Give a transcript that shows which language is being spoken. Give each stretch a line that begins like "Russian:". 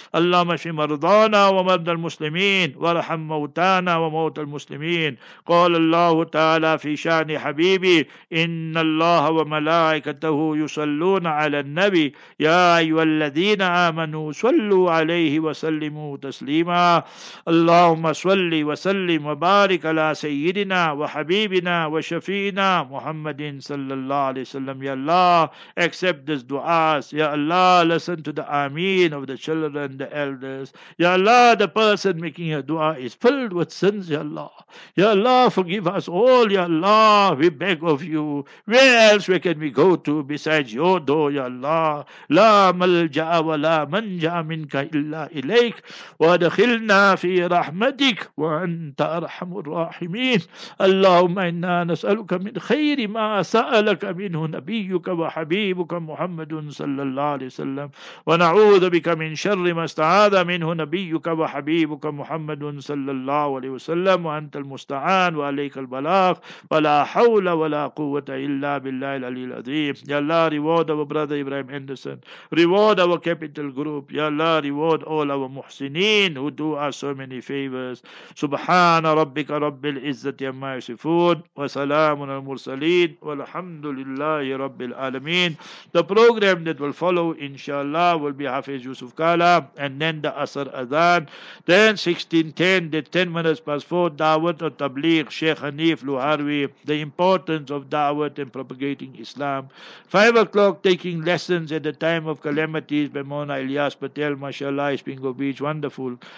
Arabic: اللهم في مرضانا ومرضى المسلمين ورحم موتانا وموت المسلمين قال الله تعالى في شأن حبيبي إن الله وملائكته يصلون على النبي يا أيها الذين آمنوا صلوا عليه وسلموا تسليما اللهم صل وسلم وبارك على سيدنا وحبيبنا وشفينا محمد صلى الله عليه وسلم يا الله
English: accept this dua. Ya Allah, listen to the ameen of the children, the elders. Ya Allah, the person making a dua is filled with sins, Ya Allah. Ya Allah, forgive us all, Ya Allah. We beg of you. Where else we can we go to besides your door, Ya Allah?
Arabic: La malja'a wa la manja'a minka illa ilayk. Wa adkhilna fi rahmatik wa anta arhamur rahimin. Allahumma inna nas'aluka min khayri ma sa'alaka minhu nabiyyuka وحبيبك محمد صلى الله عليه وسلم ونعوذ بك من شر ما استعاذ منه نبيك وحبيبك محمد صلى الله عليه وسلم وأنت المستعان وعليك البلاغ ولا حول ولا قوة إلا بالله العلي العظيم يا الله
English: reward our brother Ibrahim Anderson reward our capital group
Arabic: يا الله
English: reward all our
Arabic: محسنين
English: who do us so many favors
Arabic: سبحان ربك رب العزة عما يصفون وسلام على المرسلين والحمد لله رب العالمين.
English: The program that will follow inshallah will be Hafiz Yusuf Kala and then the Asr Adhan, then 16:10, the 10 minutes past 4, Dawat or Tabligh, Sheikh Hanif Luharwi, the importance of Dawat and propagating Islam, 5 o'clock taking lessons at the time of calamities by Mona Elias Patel, mashallah, Ispingo Beach, wonderful.